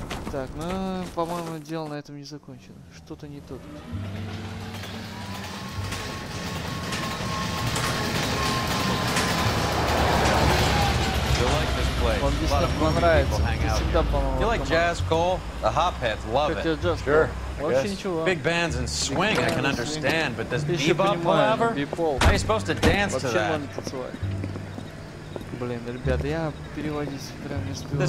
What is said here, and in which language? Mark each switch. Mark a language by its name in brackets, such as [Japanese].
[Russian] Так, ну, по-моему, дело на этом не закончено. Что-то не то тут. Он действительно понравится. [English] You like jazz, Cole? The Hopheads love it. Sure. [Russian] Вообще ничего. [English] Big bands and swing, I can understand, but does bebop forever? How are you supposed to dance to that? [Russian] Блин, ребята, я переводить прям не успеваю.